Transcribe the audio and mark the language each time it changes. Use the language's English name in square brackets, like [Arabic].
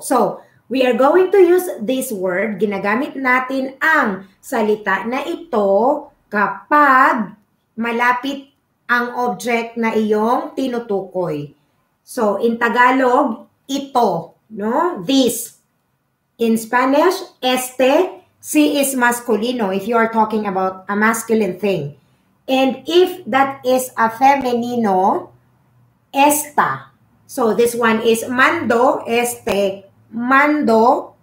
[English] So, we are going to use this word. [Filipino] Ginagamit natin ang salita na ito kapag malapit ang object na iyong tinutukoy. [English] So, in Tagalog, ito, no? This. In Spanish, este, si is masculino if you are talking about a masculine thing. And if that is a feminino, esta. So this one is mando, este, mando.